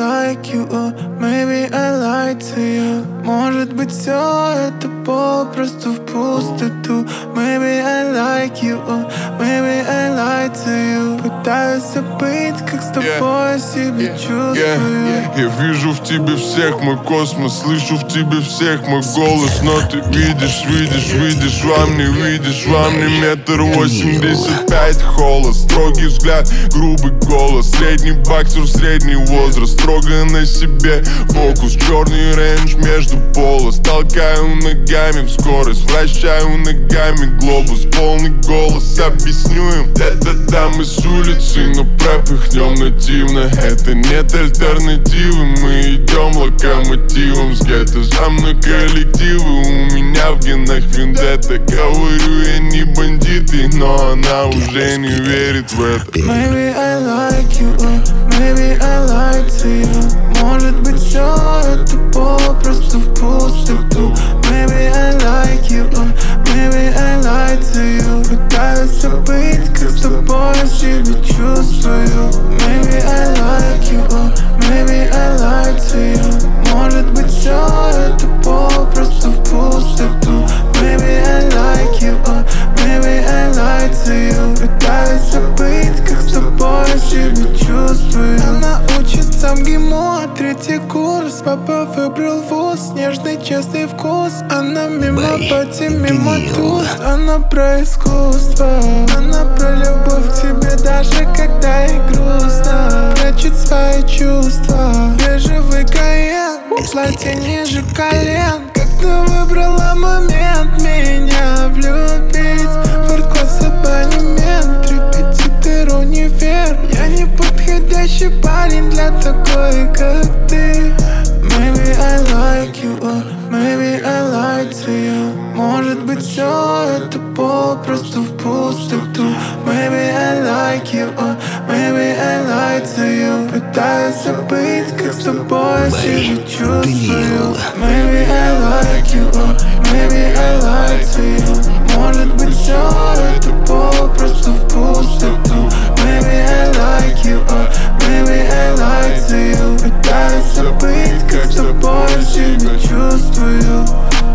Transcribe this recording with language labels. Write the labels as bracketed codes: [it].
[en] like you, maybe I lied to you. [ru] Может быть, все это попросту впустую. [en] Maybe I like you, maybe I lied to you. [ru] Пытаюсь забыть, как с тобой себя чувствую. Я вижу в тебе всех мой космос, слышу в тебе всех мой голос. Но ты видишь, видишь, видишь, вам не видишь. Вам не 1.85 м холост. Строгий взгляд, грубый голос. Средний боксер, средний возраст. Строго на себе фокус. Черный рейндж между полос. Толкаю ногами в скорость. Вращаю ногами глобус. Полный голос, объясню им. Да-да-да, мы с улицы, но пропихнем нативно. Это нет альтернативы. Мы идем локомотивом с гетто. За мной коллективы. У меня в генах вендетта. Говорю, я не бандиты. Но она уже не верит в это. [en] Maybe I like you, maybe I lied to you. [ru] Может быть, все это попросту в пустоту. [en] Maybe I like you, maybe I lied to you. [ru] Пытаюсь забыть, как с тобой себя чувствую. [en] Maybe I like you, maybe I lied to you. [ru] Может быть, все это попросту в пустоту. [en] Maybe I like you, maybe I lied to you. [ru] Пытаюсь забыть, как с тобой себя чувствую. Она учится МГИМО, третий курс. Папа выбрал вуз, нежный, честный вкус. Она мимо пати, мимо туз. Она про искусство, она про любовь к тебе, даже когда ей грустно. Прячет свои чувства, бежевый Каен. Платье ниже колен. Как-то выбрала момент меня влюбить. Форт-класс, абонемент, трепетитер, универ. Я не подходящий парень для такой, как ты. [en] Maybe I like you, maybe I lied to you. [ru] Может быть, все это попросту в пустоту. [en] Maybe I like you, maybe I lied to you. [ru] Пытаюсь забыть, как с тобой себя чувствую. [en] Maybe I like you, maybe I lied to you. [ru] Может быть, все это попросту в пустоту. [en] Maybe I like you, maybe I lied to you. [ru] Пытаюсь забыть, как с тобой себя чувствую.